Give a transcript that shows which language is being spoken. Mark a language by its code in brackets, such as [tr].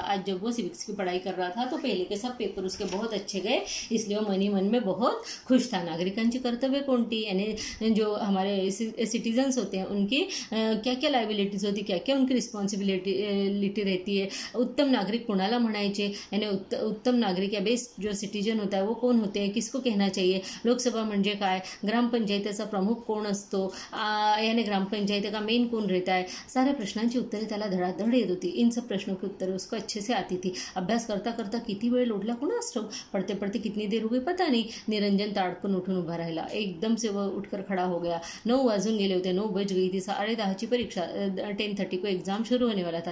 [hi] आज जब वो सिविक्स की पढ़ाई कर रहा था तो पहले के सब पेपर उसके बहुत अच्छे गए, इसलिए वो मनी मन में बहुत खुश था. [mr] नागरिकांची कर्तव्य कोणती, [hi] यानी जो हमारे सिटीजन्स होते हैं उनकी क्या क्या लायबिलिटीज होती, क्या क्या उनकी रिस्पॉन्सिबिलिटी रहती है. [mr] उत्तम नागरिक कोणाला म्हणायचे, [hi] यानी उत्तम नागरिक या बेस्ट जो सिटीजन होता है वो कौन होते हैं, किसको कहना चाहिए. [mr] लोकसभा म्हणजे काय, ग्राम पंचायत त्याचा प्रमुख कोण असतो, [hi] याने ग्राम पंचायत का मेन कोण रहता है. [mr] सारे प्रश्नांची उत्तरे त्याला धडाधड येत होती. [hi] इन सब प्रश्नों की उत्तरे उसको अच्छे से आती थी. [mr] अभ्यास करता करता किती वेळ लोटला कोण असतो, [hi] पडते पडते कितनी देर हो गई पता नहीं. [mr] निरंजन ताडकन उठून उभा राहिला. [hi] एकदम से वह उठकर खड़ा हो गया. [mr] 9 वाजून गेले होते, [hi] 9 बज गई थी. [mr] 10:30 परीक्षा, [hi] 10:30 को एग्जाम शुरू होने वाला था.